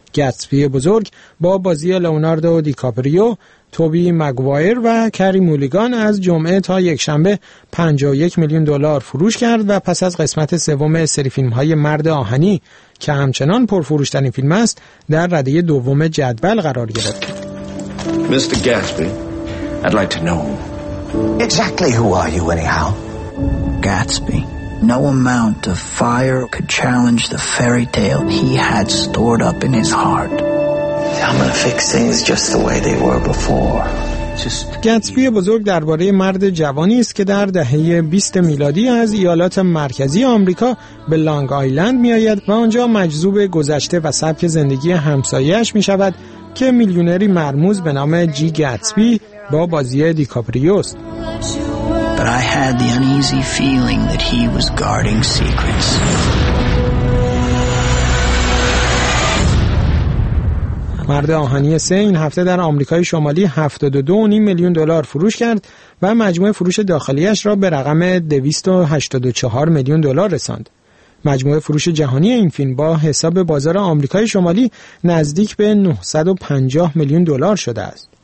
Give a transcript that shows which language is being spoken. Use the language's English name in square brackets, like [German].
[Persian] گتسبی بزرگ با بازی لئوناردو دیکاپریو، توبی مگوایر و کری مولیگان از جمعه تا یک شنبه 51 میلیون دلار فروش کرد و پس از قسمت سوم سری فیلم‌های مرد آهنی که همچنان پرفروش‌ترین فیلم است، در رده دوم جدول قرار گرفت. [English] Mr. Gatsby, I'd like to know exactly who are you anyhow? Gatsby. No amount of fire could challenge the fairy tale he had stored up in his heart. I'm gonna fix things just the way they were before. [Persian] گتسبی بزرگ درباره مرد جوانی است که در دهه 20 میلادی از ایالات مرکزی آمریکا به لانگ آیلند می آید و آنجا مجذوب گذشته و سبک زندگی همسایه‌اش می شود که میلیونری مرموز به نام جی گتسبی با بازی دیکاپریو است. [English] But I had the uneasy feeling that he was guarding secrets. [Persian] مرد آهنی 3 این هفته در آمریکای شمالی 72.5 میلیون دلار فروش کرد و مجموع فروش داخلیش را به رقم 284 میلیون دلار رساند. مجموع فروش جهانی این فیلم با حساب بازار آمریکای شمالی نزدیک به 950 میلیون دلار شده است.